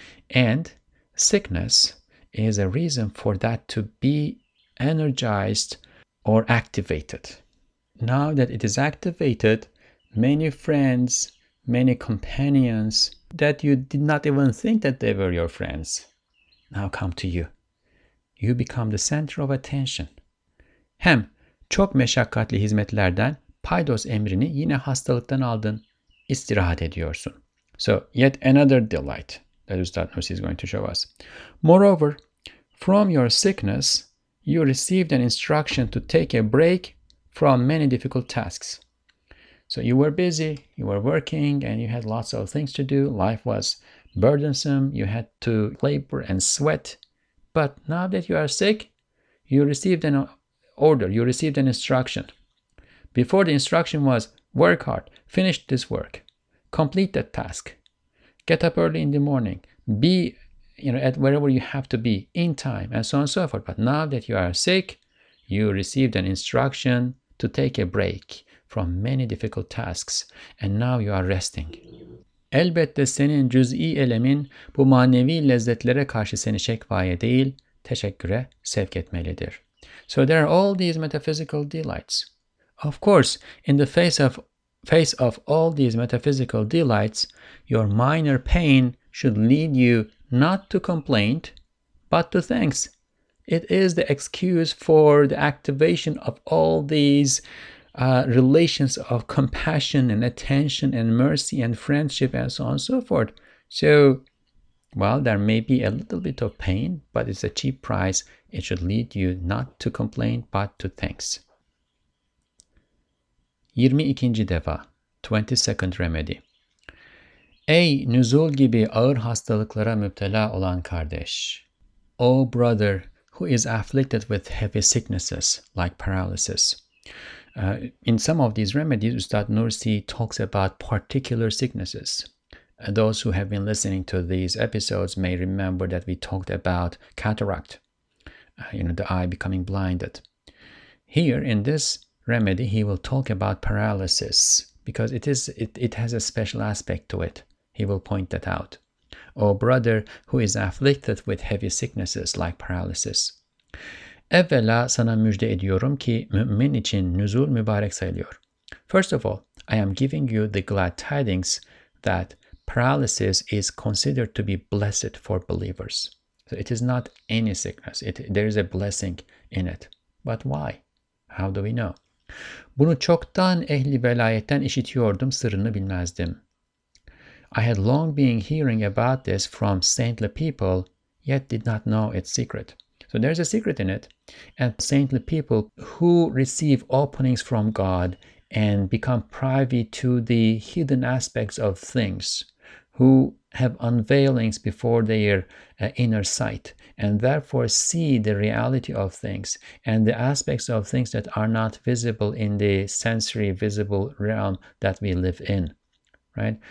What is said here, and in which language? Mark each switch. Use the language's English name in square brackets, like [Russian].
[English] And sickness is a reason for that to be energized or activated. Now that it is activated, many friends, many companions that you did not even think that they were your friends now come to you. You become the center of attention. [Turkish] Hem çok meşakkatli hizmetlerden paydos emrini yine hastalıktan aldın, istirahat ediyorsun. [English] So, yet another delight that Ustad Nursi is going to show us. Moreover, from your sickness, you received an instruction to take a break from many difficult tasks. So you were busy, you were working, and you had lots of things to do. Life was burdensome. You had to labor and sweat. But now that you are sick, you received an order. You received an instruction. Before, the instruction was work hard, finish this work, complete that task, get up early in the morning, be, you know, at wherever you have to be in time, and so on and so forth. But now that you are sick, you received an instruction to take a break from many difficult tasks, and now you are resting. [Turkish] Elbette senin cüz'i elemin bu manevi lezzetlere karşı seni şekvaye değil, teşekküre sevk etmelidir. [English] So there are all these metaphysical delights. Of course, in the face of all these metaphysical delights, your minor pain should lead you not to complaint, but to thanks. It is the excuse for the activation of all these relations of compassion and attention and mercy and friendship and so on and so forth. So, while there may be a little bit of pain, but it's a cheap price, it should lead you not to complain, but to thanks. [Turkish] 22. defa, [English] 22nd remedy. [Turkish] Ey nüzul gibi ağır hastalıklara müptela olan kardeş! [English] O brother who is afflicted with heavy sicknesses like paralysis. In some of these remedies, Ustad Nursi talks about particular sicknesses. Those who have been listening to these episodes may remember that we talked about cataract, the eye becoming blinded. Here in this remedy, he will talk about paralysis because it has a special aspect to it. He will point that out. O brother who is afflicted with heavy sicknesses like paralysis. [Turkish] Evvela sana müjde ediyorum ki mümin için nüzul mübarek sayılıyor. [English] First of all, I am giving you the glad tidings that paralysis is considered to be blessed for believers. So it is not any sickness. There is a blessing in it. But why? How do we know? [Turkish] Bunu çoktan ehli velayetten işitiyordum, sırrını bilmezdim. [English] I had long been hearing about this from saintly people, yet did not know its secret. So there's a secret in it. And saintly people who receive openings from God and become privy to the hidden aspects of things, who have unveilings before their inner sight, and therefore see the reality of things and the aspects of things that are not visible in the sensory visible realm that we live in, right?